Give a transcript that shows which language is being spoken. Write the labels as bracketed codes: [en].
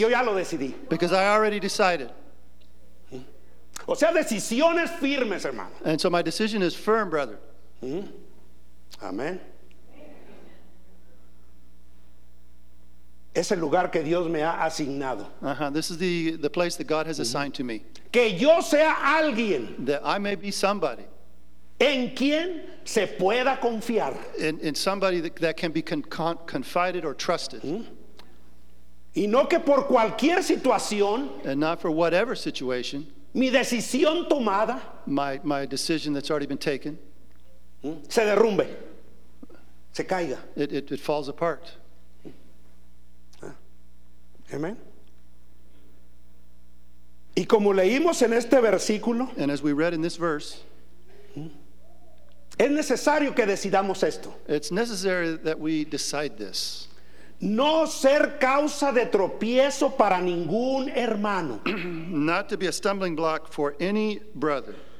[es] Yo ya lo decidí. [en] Because I already decided. [es] O sea, decisiones firmes, hermano. [en] And so my decision is firm, brother. Amen. [es] Es el lugar que Dios me ha asignado. [en] This is the place that God has assigned to me. [es] Que yo sea alguien. [en] That I may be somebody. [es] En quien se pueda confiar. [en] In somebody that can be confided or trusted. [es] Y no que por cualquier situación. [en] And not for whatever situation. [es] Mi decisión tomada. [en] My decision that's already been taken. [es] Se derrumbe. Se caiga. [en] It falls apart. Amen. [es] Y como leímos en este versículo, [en] and as we read in this verse, [es] es necesario que decidamos esto. [en] It's necessary that we decide this. [es] No ser causa de tropiezo para ningún hermano. [en] Not to be a stumbling block for any brother.